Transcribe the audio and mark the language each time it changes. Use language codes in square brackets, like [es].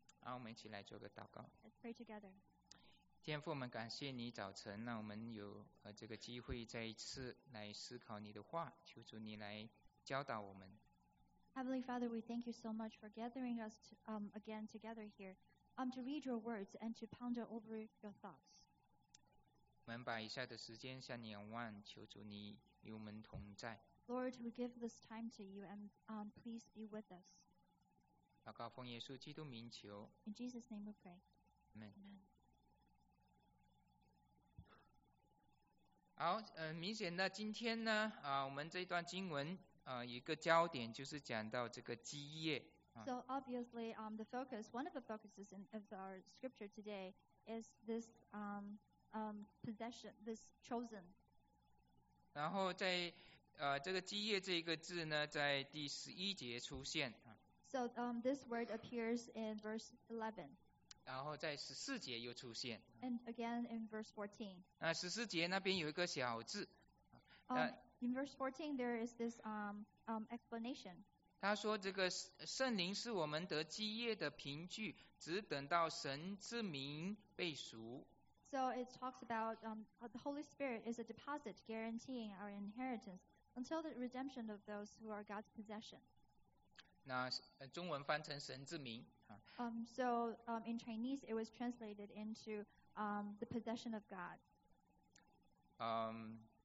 [zh] 我们一起来做个祷告。 [en] Let's pray together. [zh] 天父，我们感谢你早晨让我们有这个机会再一次来思考你的话，求主你来教导我们。 [en] Heavenly Father, we thank you so much for gathering us again together here, to read your words and to ponder over your thoughts. [zh] 我们把以下的时间向你仰望，求主你与我们同在。 [en] Lord, we give this time to you and please be with us. [zh] 祷告奉耶稣基督名求。 [en] In Jesus' name we pray. Amen. [zh] 好，明显的今天呢，我们这段经文一个焦点就是讲到这个基业。 [en] So obviously, the focus, one of the focuses of our scripture today is this possession, this chosen. [zh] 然后在这个基业这个字呢，在第十一节出现。 [en] So this word appears in verse 11. [zh] 然后在十四节又出现。 [en] And again in verse 14. [zh] 十四节那边有一个小字。 [en] In verse 14, there is this explanation. [zh] 他说这个圣灵是我们得基业的凭据，只等到神之名被赎。 [en] So it talks about the Holy Spirit is a deposit guaranteeing our inheritance until the redemption of those who are God's possession. [zh] 那中文翻成神之名。 [en] So in Chinese it was translated into the possession of God.